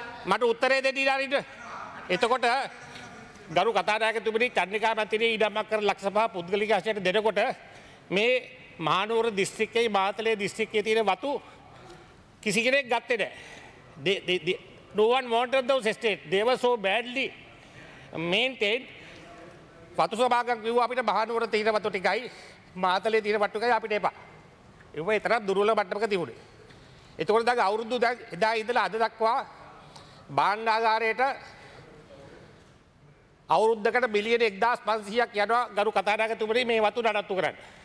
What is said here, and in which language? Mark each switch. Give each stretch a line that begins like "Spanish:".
Sinhala: මට උත්තරේ දෙන්න ඉඩ අරින්න. එතකොට ගරු කතානායකතුමනි, චන්ද්‍රිකා මැතිනිය ඉඩම්මක් කර ලක්ෂ පහ පුද්ගලික ආශ්‍රයට දෙනකොට මේ මහනුවර දිස්ත්‍රික්කයේ මාතලේ දිස්ත්‍රික්කයේ තියෙන වතු කිසි කෙනෙක් ගත්තේ නැහැ.
English: No one wanted those estates. They were so badly maintained.
Sinhala: වතු සභාගම් කිව්වා අපිට මහනුවර තියෙන වතු ටිකයි මාතලේ තියෙන වතු ටිකයි අපිට එපා. ඒ වගේ තරම් දුර්වල මට්ටමක තිබුණේ. එතකොට දැන් අවුරුදු දැන් එදා ඉඳලා අද දක්වා භාණ්ඩාගාරයට අවුරුද්දකට මිලියන 1500ක් යනවා ගරු කතානායකතුමනි මේ වතු නඩත්තු කරන්න.